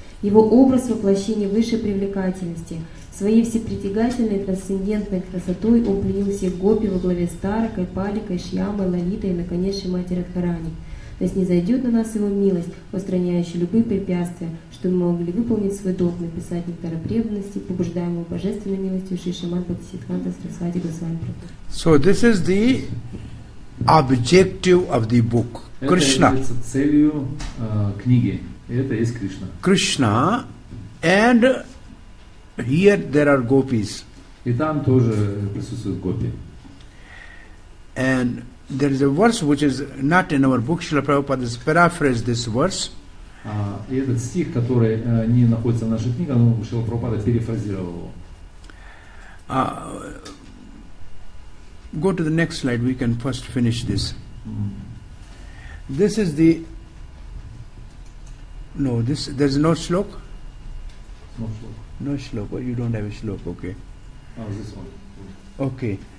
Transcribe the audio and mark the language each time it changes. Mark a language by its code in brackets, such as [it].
[ru] Его образ воплощения высшей привлекательности. Своей всепритягательной трансцендентной красотой он пленил всех гопи во главе с Таракой, Паликой, Шьямой, Лалитой и, наконец, Шримати Радхарани. То есть снизойдет на нас его милость, устраняющая любые препятствия, чтобы мы могли выполнить свой долг, написать нектар преданности, побуждаемого божественной милостью Шри Шримад Бхактисиддханта Сарасвати Госвами Прабху. [en] So this is the objective of the book. Krishna. [ru] Это является целью книги. Это есть Кришна. [en] Krishna and here there are gopis. [ru] И там тоже присутствуют гопи. [en] And there is a verse which is not in our book, Srila Prabhupada has paraphrased this verse. [ru] И этот стих, который не находится в нашей книге, но Шрила Прабхупада перефразировал его. [en] Go to the next slide, we can first finish this. This is the... No, this there's no shloka? No shloka. No shloka, well, you don't have a shloka, okay. Oh, this one. Okay.